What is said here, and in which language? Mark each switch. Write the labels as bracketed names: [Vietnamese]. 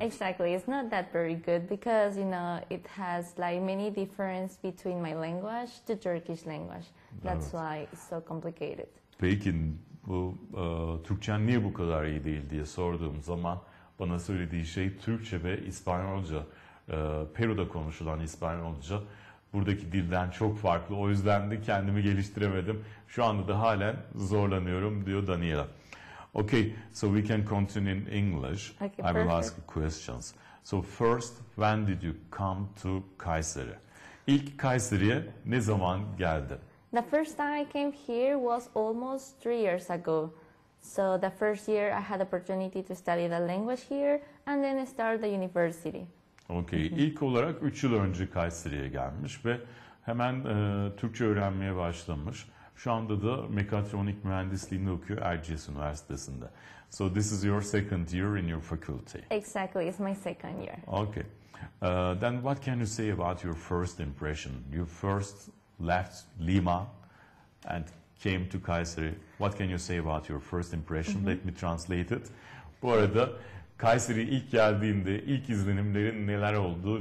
[English] Exactly, it's not that very good because, you know, it has like many difference between my language to Turkish language. That's [Turkish] evet. [English] Why it's so complicated. [Turkish] Peki, bu Türkçen niye bu kadar iyi değil diye sorduğum zaman bana söylediği şey Türkçe ve İspanyolca, Peru'da konuşulan İspanyolca buradaki dilden çok farklı. O yüzden de kendimi geliştiremedim. Şu anda da halen zorlanıyorum diyor Daniela. [English] Okay, so we can continue in English. Okay, I will ask questions. So first, when did you come to Kayseri? [Turkish] İlk Kayseri'ye ne zaman geldin? [English] The first time I came here was almost 3 years ago. So the first year I had opportunity to study the language here and then start the university. [Turkish] Okay, ilk olarak 3 yıl önce Kayseri'ye gelmiş ve hemen Türkçe öğrenmeye başlamış. Şu anda da mekatronik mühendisliğini okuyor Erciyes Üniversitesi'nde. [English] So this is your second year in your faculty. Exactly, it's my second year. Okay. Then what can you say about your first impression? You first left Lima and came to Kayseri. What can you say about your first impression? Mm-hmm. Let me translate it. [Turkish] Bu arada Kayseri ilk geldiğinde ilk izlenimlerin neler oldu?